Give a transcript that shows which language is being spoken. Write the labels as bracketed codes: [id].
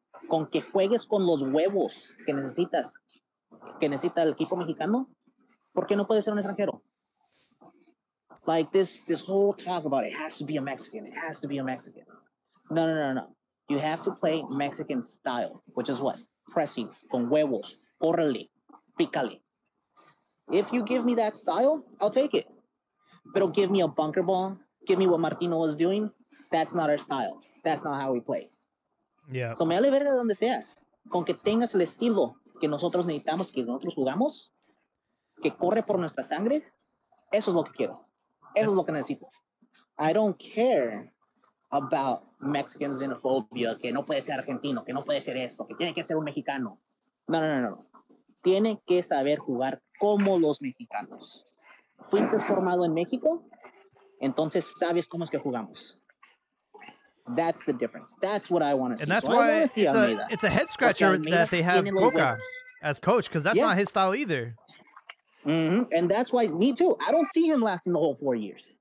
[es] Con que juegues con los huevos que necesitas, que necesita el equipo mexicano, ¿por qué no puede ser un extranjero? [en] Like this whole talk about it has to be a Mexican. It has to be a Mexican. No. You have to play Mexican style, which is what? Pressing, [es] con huevos, órale, pícale. [en] If you give me that style, I'll take it. But give me a bunker ball. Give me what Martino was doing. That's not our style. That's not how we play. Yeah. [es] So me vale verga donde seas. Con que tengas el estilo que nosotros necesitamos, que nosotros jugamos, que corre por nuestra sangre, eso es lo que quiero. Eso es lo que necesito. [en] I don't care about Mexican xenophobia, [es] que no puede ser argentino, que no puede ser esto, que tiene que ser un mexicano. No. Tiene que saber jugar como los mexicanos. Fuiste formado en México, entonces sabes cómo es que jugamos. [en] That's the difference. That's what I want to see. And that's why it's a head scratcher that they have Coca as coach, because that's not his style either. Mm-hmm. And that's why, me too. I don't see him lasting the whole 4 years.